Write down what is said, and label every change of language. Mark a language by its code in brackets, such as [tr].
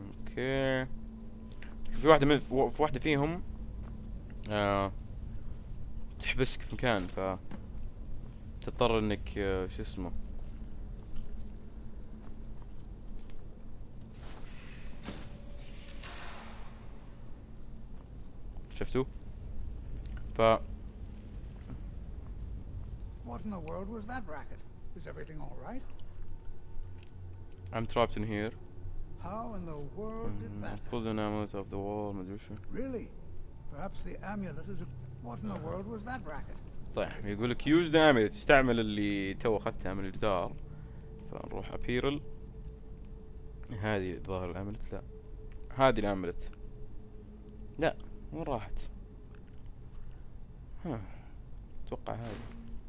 [ar] اوكي في واحدة من في واحدة فيهم تحبسك في مكان ف تضطر انك شو اسمه شفتوا ف [en] What in the world was that racket? Is everything all right? I'm trapped in here. How in the world did that happen? Pull the amulet off the wall, Madrusha. Really? Perhaps the amulet is a... What in the world was that racket? [ar] طيب يقول لك [en] use the amulet. [ar] استعمل اللي تو اخذته من الجدار. فنروح ابيرل. هذه الظاهر الامولت. لا. هذه الامولت. لا. وين راحت؟ ها. اتوقع هذه.